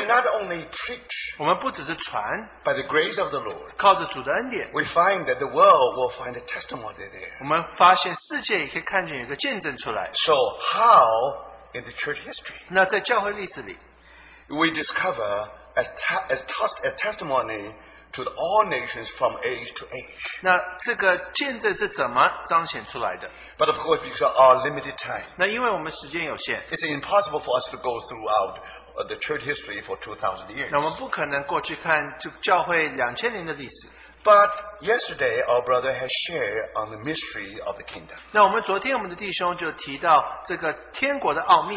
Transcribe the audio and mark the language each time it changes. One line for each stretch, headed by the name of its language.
English: We not only preach.
Chinese: 我们不只是传。
English: By the grace of the Lord.
Chinese: 靠着主的恩典。
English: We find that the world will find a testimony there.
Chinese: 我们发现世界也可以看见有个见证出来。
English: So how in the church history?
Chinese: 那在教会历史里。
English: We discover as testimony to all nations from age to age.
Chinese: 那这个见证是怎么彰显出来的?
English: But of course, because of our limited time.
Chinese: 那因为我们时间有限,
English: it's impossible for us to go throughout the church history for 2,000 years.
Chinese: 那我们不可能过去看教会2000年的历史。
English: But yesterday, our brother has shared on the mystery of the kingdom.
Chinese: 那我们昨天我们的弟兄就提到这个天国的奥秘,